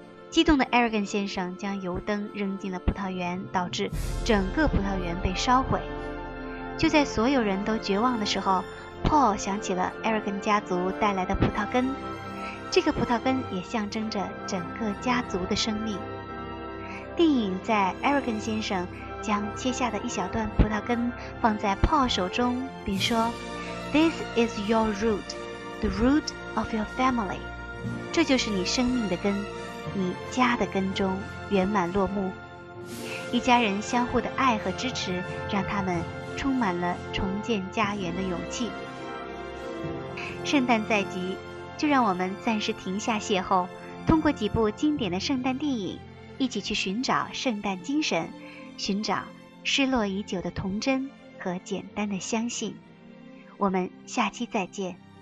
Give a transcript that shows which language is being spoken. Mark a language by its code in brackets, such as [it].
[zh] 激动的 Aragon 先生将油灯扔进了葡萄园，导致整个葡萄园被烧毁。就在所有人都绝望的时候， Paul 想起了 Aragon 家族带来的葡萄根，这个葡萄根也象征着整个家族的生命。电影在 Aragon 先生将切下的一小段葡萄根放在 Paul 手中，并说 [en] This is your root, the root of your family. [zh] 这就是你生命的根，你家的根中圆满落幕。一家人相互的爱和支持让他们充满了重建家园的勇气。圣诞在即，就让我们暂时停下邂逅，通过几部经典的圣诞电影一起去寻找圣诞精神，寻找失落已久的童真和简单的相信。我们下期再见。